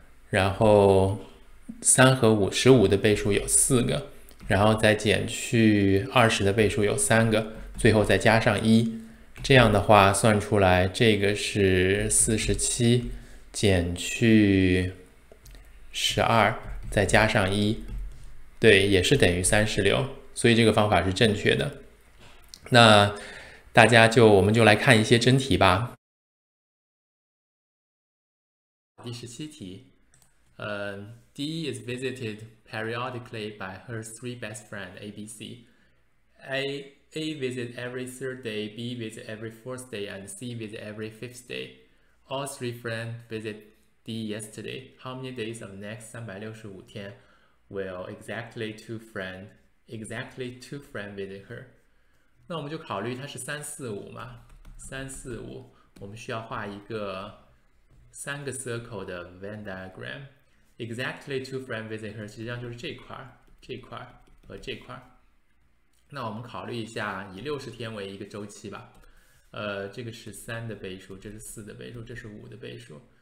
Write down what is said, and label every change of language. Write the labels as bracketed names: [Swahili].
[Chinese] 然后三和五，15的倍数有4个，然后再减去20的倍数有3个，最后再加上一，这样的话算出来这个是47，减去12，再加上一，对，也是等于36，所以这个方法是正确的。那大家就我们就来看一些真题吧。第17题。 [English] D is visited periodically by her three best friends, A, B, C. A visit every third day, B visit every fourth day, and C visit every fifth day. All three friends visit D yesterday. How many days of next 365 天 will exactly two friends visit her? [Chinese] 那我们就考虑它是三四五嘛，三四五，我们需要画一个三个 circle 的 Venn diagram。 Exactly two friends visit her，实际上就是这块儿、这块儿和这块儿。那我们考虑一下，以60天为一个周期吧。这个是三的倍数，这是四的倍数，这是五的倍数。